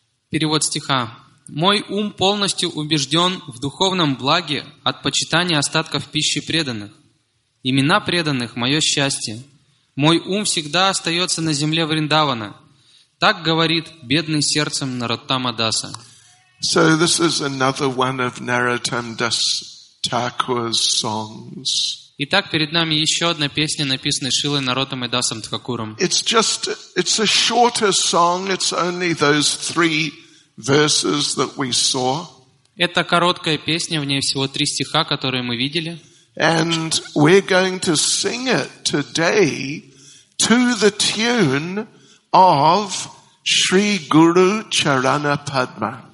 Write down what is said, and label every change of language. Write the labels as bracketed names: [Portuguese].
[Russian] Перевод стиха. Мой ум полностью убежден в духовном благе от почитания остатков пищи преданных. Имена преданных – мое счастье. Мой ум всегда остается на земле Вриндавана. Так говорит бедный сердцем Наротама Даса. [English] So this is another one of Narottam Das Thakur's songs. [Russian] Итак, перед нами еще одна песня, написанная Шилой Наротом и Дасом Тхакуром. [English] It's a shorter song, it's only those three verses that we saw. [Russian] Это короткая песня, в ней всего три стиха, которые мы видели. [English] And we're going to sing it today to the tune of Shri Guru Charana Padma.